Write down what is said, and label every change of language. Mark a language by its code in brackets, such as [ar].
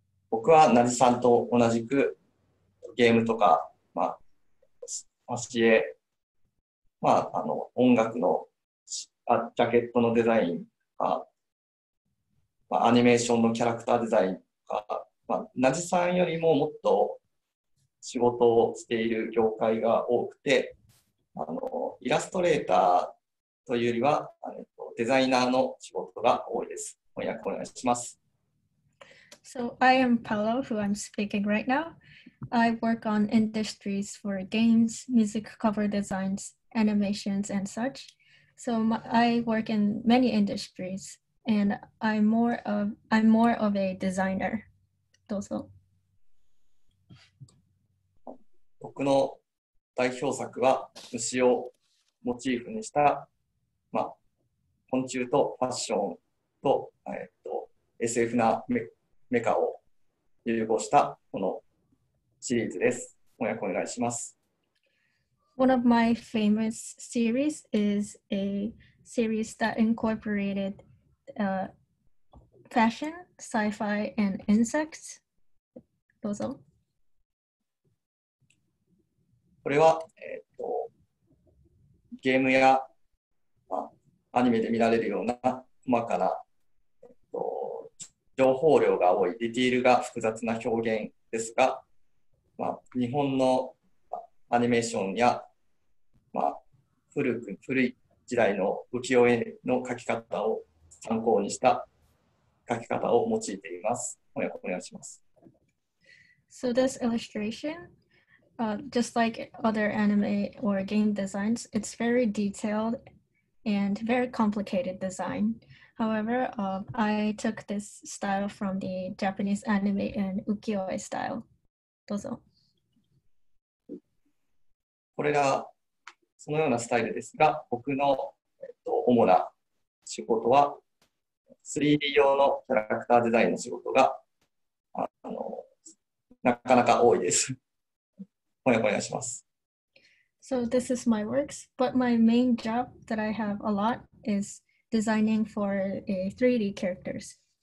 [ja] 僕はナジさんと同じくゲームとか、まあ、CA、まあ、音楽のジャケットのデザインとか、まあ、アニメーションのキャラクターデザインとか、まあ、ナジさんよりももっと仕事をしている業界が多くて、イラストレーターというよりはデザイナーの仕事が多いです。翻訳お願いします。 [en] So I am Paolo, who I'm speaking right now. I work on industries for games, music cover designs, animations, and such. So I work in many industries, and I'm more of a designer. [ja] どうぞ。僕の代表作は虫をモチーフにしたまあ、昆虫とファッションと、SF なメカを融合したこのシリーズです。翻訳お願いします。 [en] One of my famous series is a series that incorporated fashion, sci-fi, and insects. [ja] どうぞ。これは、ゲームやアニメで見られるような細かな、情報量が多いディティールが複雑な表現ですが、まあ、日本のアニメーションや、まあ、古い時代の浮世絵の描き方を参考にした描き方を用いています。お願いします。 [en] So this illustration just like other anime or game designs, it's very detailed and very complicated design. However, I took this style from the Japanese anime and ukiyo-e style. [ja] どうぞ。これがそのようなスタイルですが、僕の、主な仕事は 3D 用のキャラクターデザインの仕事がなかなか多いです。お願いします。 [en] So this is my works, but my main job that I have a lot is designing for 3D characters.